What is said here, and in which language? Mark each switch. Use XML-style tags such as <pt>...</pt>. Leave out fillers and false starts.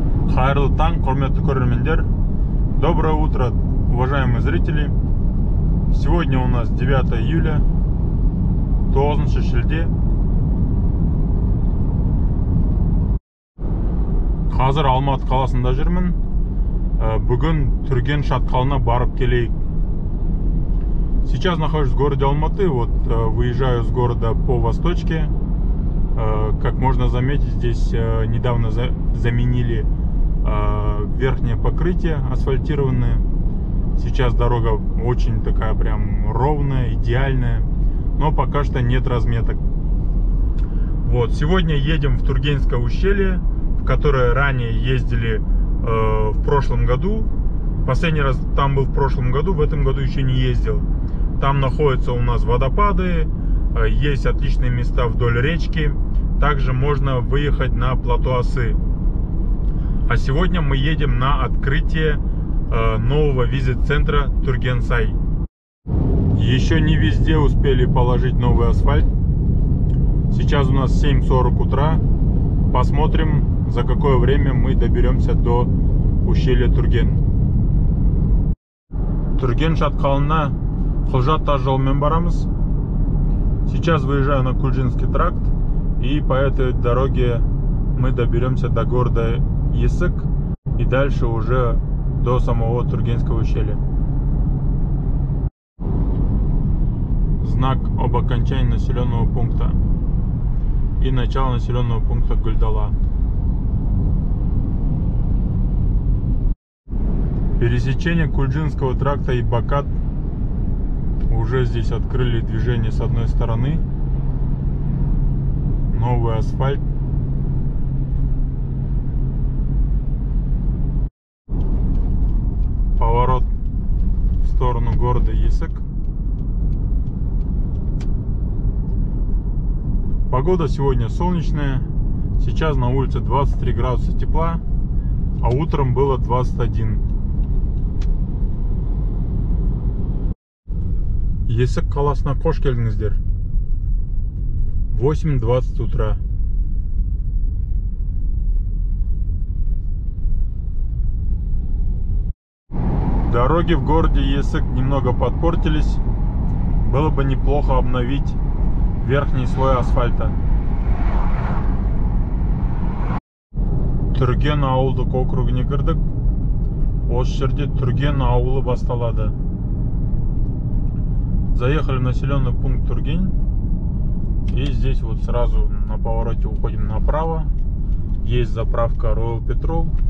<kk>Қайырлы таң, құрметті көрермендер.</kk> <ru>Доброе утро, уважаемые зрители. Сегодня у нас 9 июля,</ru> <kk>9 шілде. Қазір Алматы қаласында жүрмін. Бүгін Түрген шатқалына барып келейік.</kk> <ru>Сейчас нахожусь в городе Алматы, вот выезжаю из города по Восточке. Как можно заметить, здесь недавно заменили верхнее покрытие асфальтированное. Сейчас дорога очень такая прям ровная, идеальная, но пока что нет разметок. Вот, сегодня едем в Тургенское ущелье, в которое ранее ездили в прошлом году. Последний раз там был в прошлом году, в этом году еще не ездил. Там находятся у нас водопады, есть отличные места вдоль речки. Также можно выехать на плато Осы. А сегодня мы едем на открытие нового визит-центра Тургенсай. Еще не везде успели положить новый асфальт. Сейчас у нас 7:40 утра. Посмотрим, за какое время мы доберемся до ущелья Турген.</ru> <kk>Турген шатқалына Құлжат тас жолымен барамыз.</kk> <ru>Сейчас выезжаю на Кульжинский тракт. И по этой дороге мы доберемся до города Есік и дальше уже до самого Тургенского ущелья. Знак об окончании населенного пункта и начало населенного пункта Гүлдала. Пересечение Кульжинского тракта и Бакат. Уже здесь открыли движение с одной стороны. Новый асфальт. Поворот в сторону города Есік. Погода сегодня солнечная. Сейчас на улице 23 градуса тепла, а утром было 21.</ru> <kk>Есік қаласына қош келдіңіздер.</kk> <ru>8:20 утра. Дороги в городе Есік немного подпортились. Было бы неплохо обновить верхний слой асфальта.</ru> <kk>Түрген ауылдық округіне кірдік. Осы жерде Түрген ауылы басталады.</kk> <ru>Заехали в населенный пункт Түрген. И здесь вот сразу на повороте уходим направо. Есть заправка Royal Petrol.</ru>